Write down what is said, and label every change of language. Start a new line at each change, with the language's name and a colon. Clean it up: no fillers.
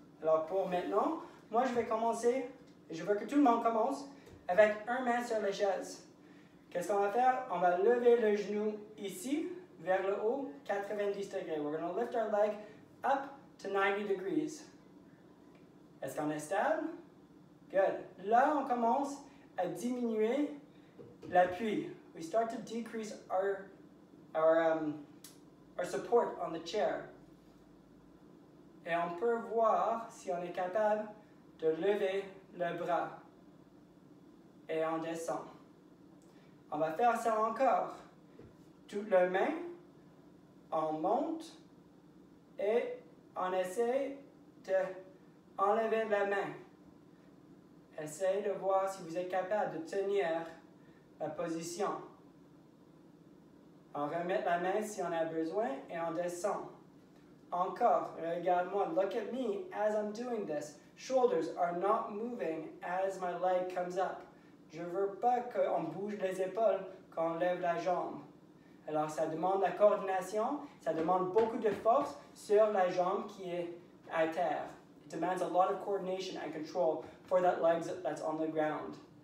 French: Alors pour maintenant, moi je vais commencer, et je veux que tout le monde commence, avec une main sur la chaise. Qu'est-ce qu'on va faire? On va lever le genou ici, vers le haut, 90 degrés.
English: We're going to lift our leg up to 90 degrees.
French: Est-ce qu'on est stable?
English: Good.
French: Là, on commence à diminuer l'appui.
English: We start to decrease our support on the chair.
French: Et on peut voir si on est capable de lever le bras. Et on descend. On va faire ça encore. Toutes les mains, on monte et on essaie d'enlever la main. Essayez de voir si vous êtes capable de tenir la position. On remet la main si on a besoin et on descend. Encore, regarde-moi.
English: Look at me as I'm doing this. Shoulders are not moving as my leg comes up.
French: Je ne veux pas qu'on bouge les épaules quand on lève la jambe. Alors, ça demande la coordination, ça demande beaucoup de force sur la jambe qui est à terre.
English: It demands a lot of coordination and control for that leg that's on the ground.